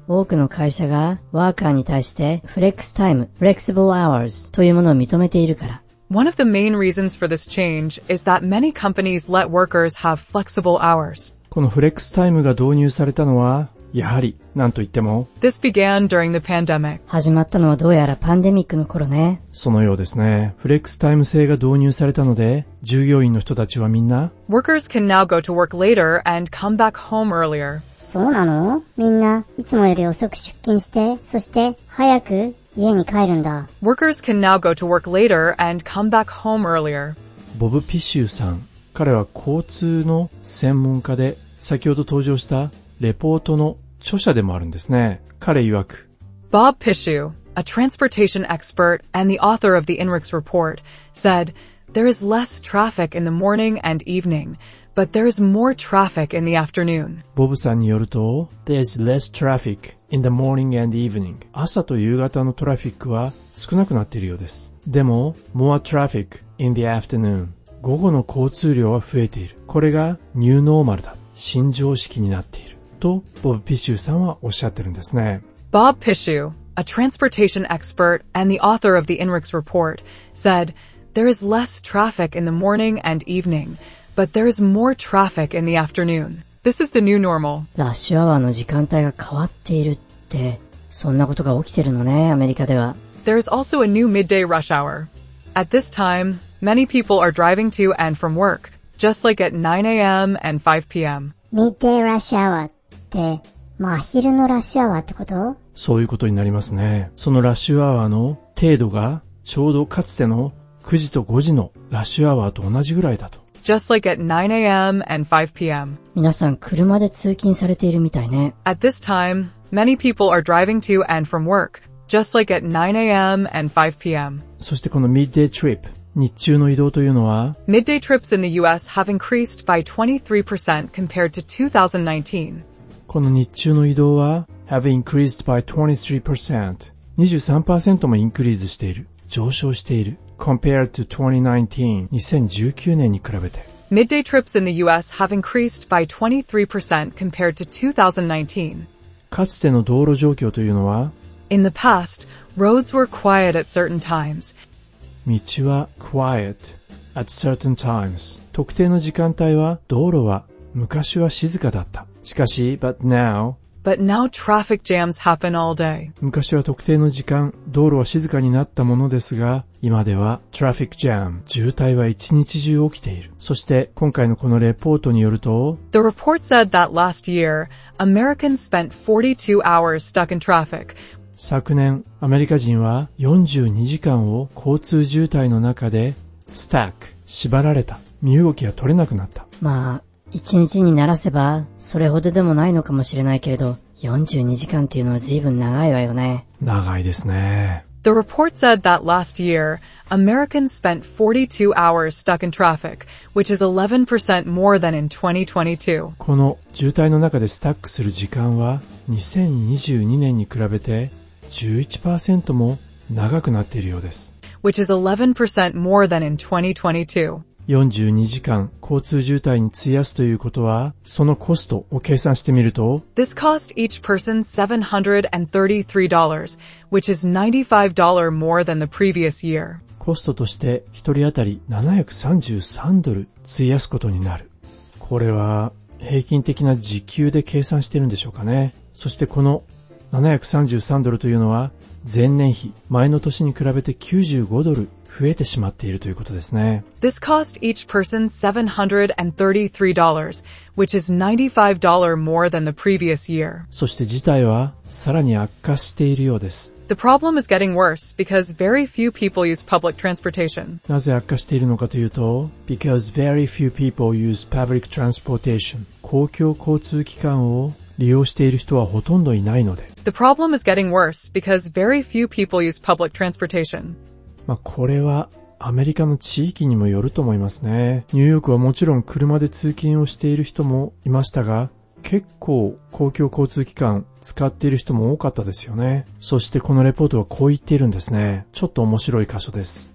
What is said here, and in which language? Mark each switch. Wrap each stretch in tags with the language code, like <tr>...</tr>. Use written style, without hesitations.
<ja>多くの会社がワーカーに対してフレックスタイム、フレックスブルアワーズというものを認めているから。</ja> <en>One of the main reasons for this change is that many companies let workers have flexible hours.</en> <ja>このフレックスタイムが導入されたのは、やはり、なんといっても、</ja> <en>This began during the pandemic.</en> <ja>始まったのはどうやらパンデミックの頃ね。そのようですね。フレックスタイム制が導入されたので、従業員の人たちはみんな、</ja> <en>Workers can now go to work later and come back home earlier.</en> <ja>そうなの？みんな、いつもより遅く出勤して、そして、早く、家に帰るんだ。</ja> <en>Workers can now go to work later and come back home earlier.</en> <ja>ボブ・ピシューさん。彼は交通の専門家で、先ほど登場したレポートの著者でもあるんですね。彼曰く、</ja> <en>Bob Pishu, a transportation expert and the author of the INRIX report, said, There is less traffic in the morning and evening, But there's more traffic in the afternoon.</en> <ja>ボブさんによると、</ja> <en>There's less traffic in the morning and evening.</en> <ja>朝と夕方のトラフィックは少なくなっているようです。でも、</ja> <en>more traffic in the afternoon.</en> <ja>午後の交通量は増えている。これがニューノーマルだ。新常識になっている。とボブ・ピシューさんはおっしゃってるんですね。</ja> <en>Bob Pishew, a transportation expert and the author of the INRIX report, said, There is less traffic in the morning and evening. But there is more traffic in the afternoon. This is the new normal.</en> <ja>ラッシュアワーの時間帯が変わっているって、そんなことが起きてるのね、アメリカでは。</ja> <en>There is also a new midday rush hour. At this time, many people are driving to and from work, just like at 9 a.m. and 5 p.m. Midday rush hour</en> <ja>って、まあ昼のラッシュアワーってこと？そういうことになりますね。そのラッシュアワーの程度がちょうどかつての9時と5時のラッシュアワーと同じぐらいだと。</ja> <en>Just like at 9 a.m. and 5 p.m.</en> <ja>皆さん車で通勤されているみたいね。</ja> <en>At this time, many people are driving to and from work, just like at 9 a.m. and 5 p.m.</en> <ja>そしてこの midday trip、日中の移動というのは、</ja> <en>Midday trips in the U.S. have increased by 23% compared to 2019.</en> <ja>この日中の移動は、</ja> <en>have increased by 23%。</en> <ja>23% もインクリーズしている。上昇している。</ja> <en>Compared to 2019,</en> <ja>2019年に比べて。</ja> <en>Midday trips in the U.S. have increased by 23% compared to 2019.</en> <ja>かつての道路状況というのは、</ja> <en>In the past, roads were quiet at certain times.</en> <ja>道は</ja> <en>quiet at certain times.</en> <ja>特定の時間帯は、道路は昔は静かだった。しかし、</ja> <en>But now traffic jams happen all day.</en> <ja>昔は特定の時間、道路は静かになったものですが、今では traffic jam、渋滞は一日中起きている。そして今回のこのレポートによると、</ja> <en>The report said that last year, Americans spent 42 hours stuck in traffic.</en> <ja>昨年、アメリカ人は42時間を交通渋滞の中で stuck、縛られた。身動きが取れなくなった。まあ、一日にならせば、それほどでもないのかもしれないけれど、42時間っていうのは随分長いわよね。長いですね。</ja> <en>The report said that last year, Americans spent 42 hours stuck in traffic, which is 11% more than in 2022.</en> <ja>この渋滞の中でスタックする時間は、2022年に比べて 11% も長くなっているようです。</ja> <en>Which is 11% more than in 2022.</en> <ja>42時間交通渋滞に費やすということは、そのコストを計算してみると、</ja> <en>This cost each person $733, which is $95 more than the previous year.</en> <ja>コストとして一人当たり733ドル費やすことになる。これは平均的な時給で計算してるんでしょうかね。そしてこの733ドルというのは、前年比、前の年に比べて95ドル増えてしまっているということですね。</ja> <en>This cost each person $733, which is $95 more than the previous year.</en> <ja>そして事態はさらに悪化しているようです。</ja> <en>The problem is getting worse because very few people use public transportation.</en> <ja>なぜ悪化しているのかというと、</ja> <en>Because very few people use public transportation.</en> <ja>公共交通機関を利用している人はほとんどいないので。</ja> <en>The problem is getting worse because very few people use public transportation.</en> <ja>まあこれはアメリカの地域にもよると思いますね。ニューヨークはもちろん車で通勤をしている人もいましたが、結構公共交通機関使っている人も多かったですよね。そしてこのレポートはこう言っているんですね。ちょっと面白い箇所です。</ja>